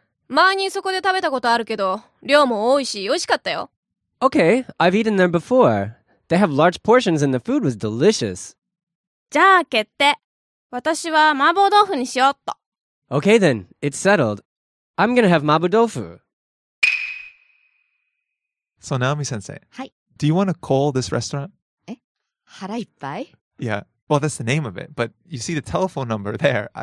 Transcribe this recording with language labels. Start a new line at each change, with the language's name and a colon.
Japanese: 前にそこで食べたことあるけど、量も多いし美味しかったよ。
English: Okay, I've eaten there before. They have large portions and the food was delicious.
Japanese: じゃあ決定。私は麻婆豆腐にしようっと。
English: Okay then, it's settled. I'm gonna have 麻婆豆腐。 So, Naomi-sensei, Hi. Do you want to call this restaurant?
Japanese: え?腹いっぱい?
English: Yeah. Well, that's the name of it. But you see the telephone number there.